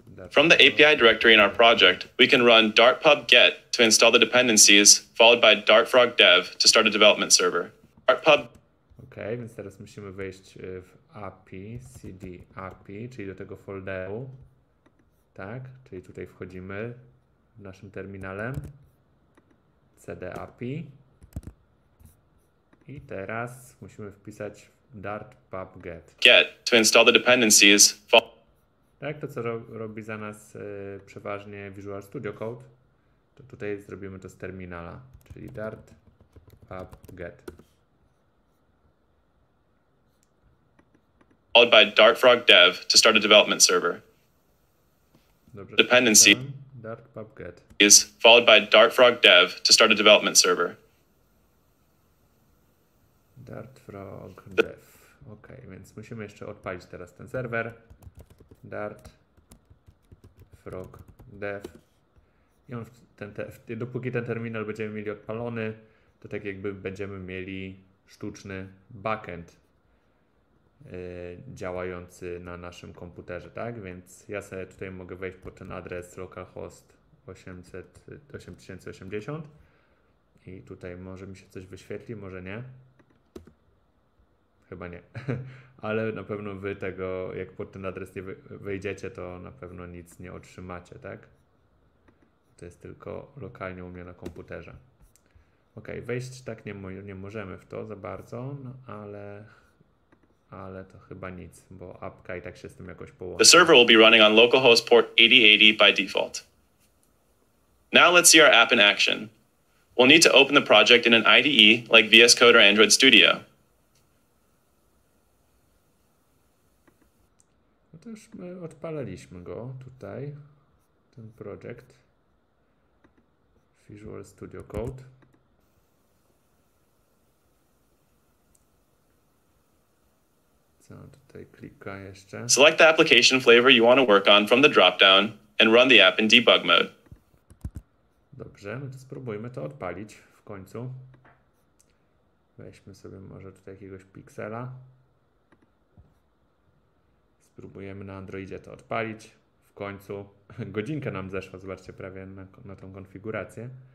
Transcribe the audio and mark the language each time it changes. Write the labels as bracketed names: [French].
[English] From the API directory in our project, we can run dartpub get to install the dependencies, followed by dartfrog dev to start a development server. Dartpub. OK. [Polish] więc teraz musimy wejść w API, CD API, czyli do tego folderu. Tak, czyli tutaj wchodzimy naszym terminalem. CD API. I teraz musimy wpisać dart pub get. [English] Get to install the dependencies. [Polish] Tak, to co robi za nas przeważnie Visual Studio Code, to tutaj zrobimy to z terminala, czyli dart pub get. [English] Followed by dartfrog dev to start a development server. [Polish] Dobrze, [English] dependency dart pub get is followed by dartfrog dev to start a development server. Dartfrog dev. [Polish] Ok, więc musimy jeszcze odpalić teraz ten serwer. Dartfrog dev. I on dopóki ten terminal będziemy mieli odpalony, to tak jakby będziemy mieli sztuczny backend działający na naszym komputerze, tak? Więc ja sobie tutaj mogę wejść pod ten adres localhost 8080 i tutaj może mi się coś wyświetli, może nie. Chyba nie, ale na pewno wy tego, jak pod ten adres nie wejdziecie, to na pewno nic nie otrzymacie, tak? To jest tylko lokalnie u mnie na komputerze. Ok, wejść tak nie możemy w to za bardzo, no ale to chyba nic, bo apka i tak się z tym jakoś połączy. [English] The server will be running on localhost port 8080 by default. Now let's see our app in action. We'll need to open the project in an IDE like VS Code or Android Studio. [Polish] To już my odpalaliśmy go tutaj, ten projekt Visual Studio Code. Co tutaj klika jeszcze? [English] Select the application flavor you want to work on from the dropdown and run the app in debug mode. [Polish] Dobrze, no to spróbujmy to odpalić w końcu. Weźmy sobie może tutaj jakiegoś piksela. Spróbujemy na Androidzie to odpalić. W końcu godzinka nam zeszła, zobaczcie, prawie na tą konfigurację.